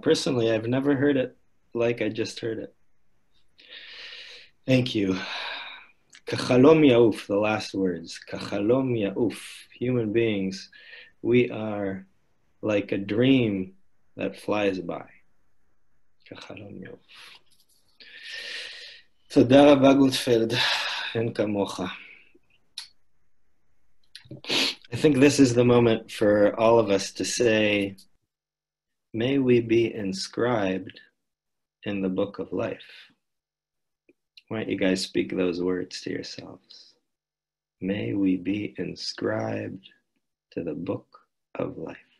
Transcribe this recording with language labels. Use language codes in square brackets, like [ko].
[en] Personally, I've never heard it like I just heard it. Thank you. [he] Kachalom ya'uf, [en] the last words. Kachalom ya'uf. Human beings, we are like a dream that flies by. [he] תודה רבה גוטפלד, אין כמוך. [en] I think this is the moment for all of us to say, may we be inscribed in the book of life. Why don't you guys speak those words to yourselves? May we be inscribed to the book of life.